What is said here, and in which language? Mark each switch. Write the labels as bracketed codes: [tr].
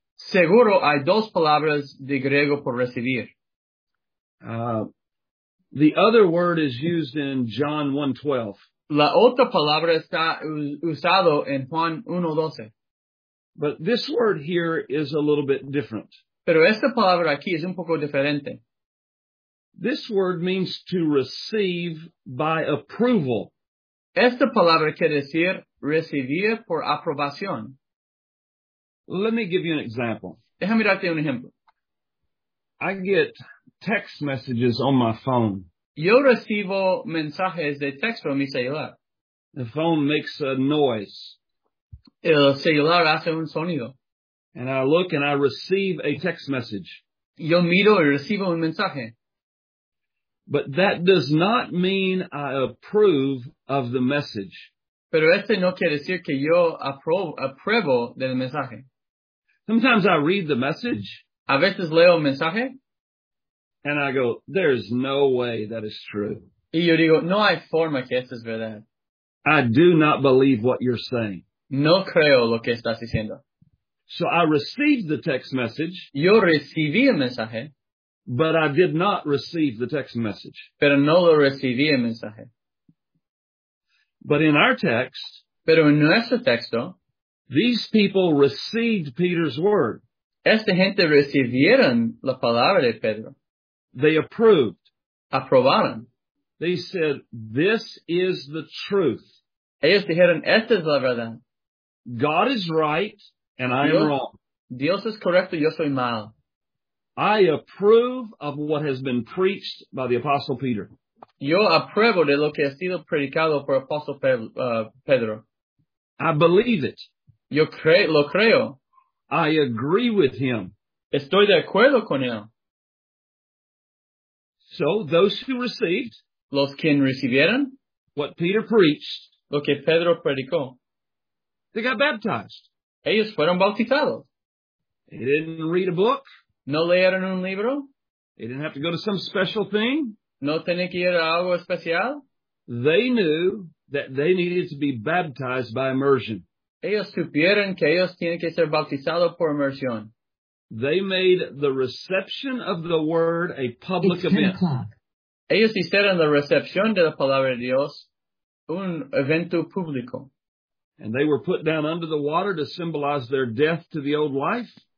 [es] Seguro hay dos palabras de griego por recibir. [en] The other word is used in John 1:12. [es] La otra palabra está usado en Juan 1:12. [en] But this word here is a little bit different. [es] Pero esta palabra aquí es un poco diferente. [en] This word means to receive by approval. [es] Esta palabra quiere decir recibir por aprobación. [en] Let me give you an example. [es] Déjame darte un ejemplo. [en] I get text messages on my phone. [es] Yo recibo mensajes de texto en mi celular. [en] The phone makes a noise. [es] El celular hace un sonido. [en] And I look and I receive a text message. [es] Yo miro y recibo un mensaje. [en] But that does not mean I approve of the message. [es] Pero este no quiere decir que yo apruebo del mensaje. [en] Sometimes I read the message. [es] A veces leo el mensaje. [en] And I go, there's no way that is true. [es] Y yo digo, no hay forma que esto es verdad. [en] I do not believe what you're saying. [es] No creo lo que estás diciendo. [en] So I received the text message. [es] Yo recibí el mensaje. [en] But I did not receive the text message. [es] Pero no lo recibí el mensaje. [en] But in our text. [es] Pero en nuestro texto. [en] These people received Peter's word. [es] Esta gente recibieron la palabra de Pedro. [en] They approved. [es] Aprobaron. [en] They said, this is the truth. [es] Ellos dijeron, esta es la verdad. [en] God is right, and I am wrong. [es] Dios es correcto, yo soy mal. [en] I approve of what has been preached by the Apostle Peter. [es] Yo apruebo de lo que ha sido predicado por Apostle Pedro. [en] I believe it. [es] Lo creo. [en] I agree with him. [es] Estoy de acuerdo con él. [en] So, those who received, [es] los quien recibieron, [en] what Peter preached, [es] lo que Pedro predicó, [en] they got baptized. [es] Ellos fueron bautizados. [en] They didn't read a book. [es] No leyeron un libro. [en] They didn't have to go to some special thing. [es] No tenían que ir a algo especial. [en] They knew that they needed to be baptized by immersion. [es] Ellos supieron que ellos tienen que ser bautizados por inmersión. [en] They made the reception of the word a public event. [es] Ellos hicieron la recepción de la palabra de Dios un evento público. [en] And they were put down under the water to symbolize their death to the old life.